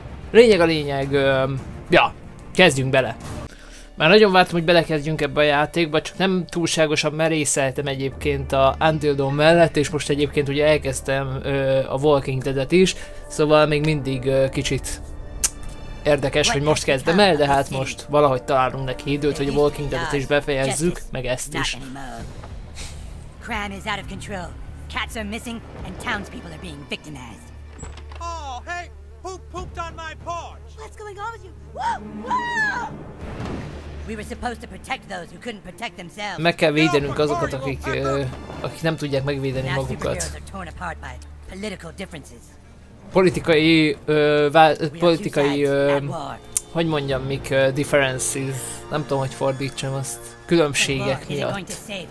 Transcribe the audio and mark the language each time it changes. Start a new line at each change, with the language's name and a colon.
Hungarian: Lényeg a lényeg, kezdjünk bele. Már nagyon vártam, hogy belekezdjünk ebbe a játékba, csak nem túlságosan merészeltem egyébként a Until Dawn mellett, és most egyébként ugye elkezdtem a Walking Dead-et is, szóval még mindig kicsit érdekes, hogy most kezdem el, de hát most valahogy találunk neki időt, hogy a Walking Dead-et is befejezzük, meg ezt is.
English: Cran is out of control. Cats are missing and townspeople are being victimized. Oh, hey, poop pooped on my porch. What's going on with you? We were supposed to protect those who couldn't protect themselves.
Hungarian: Meg kell védenünk azokat, akik nem tudják megvédeni magukat.
English: Differences.
Hungarian: Nem tudom, hogy fordítsam azt. Különbségek miatt.